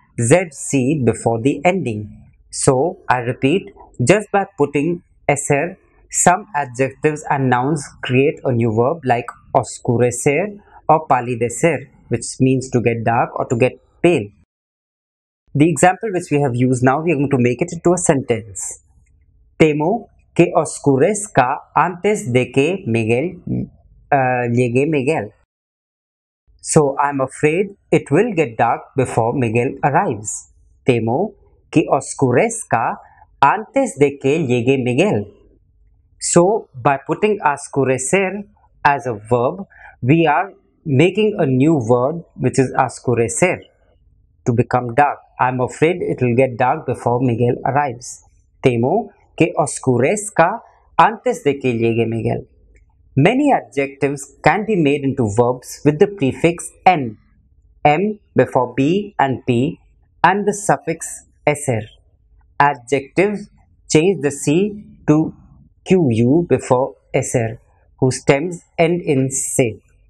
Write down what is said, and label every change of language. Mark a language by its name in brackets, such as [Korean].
[English] ZC before the ending. So I repeat, just by putting SR, some adjectives and nouns create a new verb like oscurecer or palidecer, which means to get dark or to get pale. The example which we have used now, we are going to make it into a sentence. [Spanish] Temo que oscurezca antes de que Miguel llegue Miguel. [English] So I'm afraid it will get dark before Miguel arrives. [Spanish] Temo que oscurezca antes de que llegue Miguel. [English] So by putting oscurecer as a verb, we are making a new verb, which is oscurecer, to become dark. I'm afraid it will get dark before Miguel arrives. [Spanish] Temo que oscurezca antes de que llegue Miguel. [English] Many adjectives can be made into verbs with the prefix N, M before B and P, and the suffix SR. Adjectives change the C to QU before SR, whose stems end in SE.